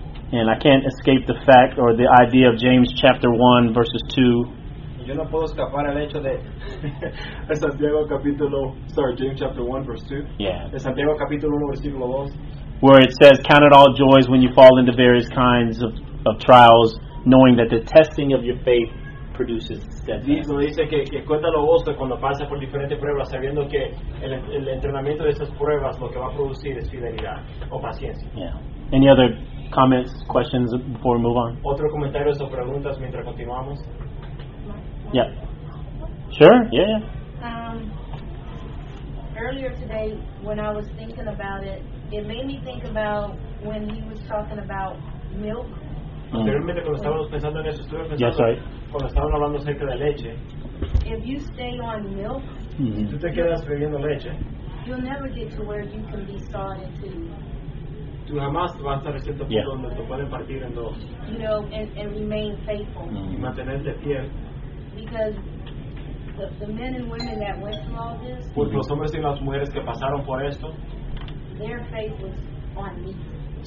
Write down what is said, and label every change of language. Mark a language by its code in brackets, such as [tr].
[en] And I can't escape the fact or the idea of James chapter 1, verses 2. [es] Yo no puedo escapar al hecho de Santiago capítulo, [en] sorry, James chapter 1 verse 2. Yeah. [es] En Santiago capítulo 1 versículo 2. [en] Where it says, count it all joys when you fall into various kinds of trials, knowing that the testing of your faith produces steadfastness. [es] Dice que cuéntalo gozo cuando pasa por diferentes pruebas, sabiendo que el entrenamiento de esas pruebas lo que va a producir es fidelidad o paciencia. [en] Yeah. Any other comments, questions before we move on? [es] Otro comentario o preguntas mientras continuamos. [en] Yeah. Sure. Yeah. Earlier today, when I was thinking about it, it made me think about when he was talking about milk. [es] Anteriormente, cuando estábamos pensando en eso, estuve pensando. [en] Yes, sorry. [es] Cuando estábamos hablando acerca de leche. [en] If you stay on milk, [es] si tú te quedas bebiendo leche, [en] you'll never get to where you can be sawed into. [es] Tú jamás vas a estar en cierto punto donde te pueden partir en dos. [en] You know, and remain faithful. [es] Y mantenerte fiel. [en] Because the men and women that went through all this, their faith was on meat.